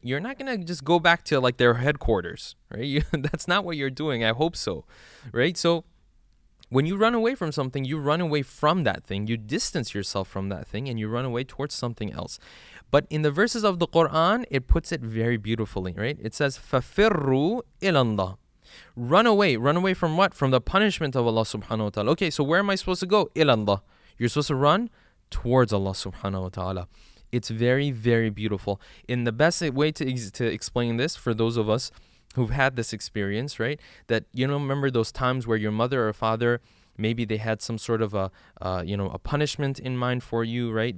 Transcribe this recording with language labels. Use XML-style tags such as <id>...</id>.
<en>You're not going to just go back to like their headquarters, right? That's not what you're doing. I hope so, right? So when you run away from something, you run away from that thing. You distance yourself from that thing and you run away towards something else. But in the verses of the Quran, it puts it very beautifully, right? It says,</en> <ar>فَفِرُّوا إِلَى اللَّهِ.</ar> <en>Run away. Run away from what? From the punishment of Allah subhanahu wa ta'ala. Okay, so where am I supposed to go?</en> <ar>إِلَى اللَّهِ.</ar> <en>You're supposed to run towards Allah subhanahu wa ta'ala. It's very, very beautiful. In the best way to explain this, for those of us who've had this experience, right? That, you know, remember those times where your mother or father, maybe they had some sort of a punishment in mind for you, right?</en>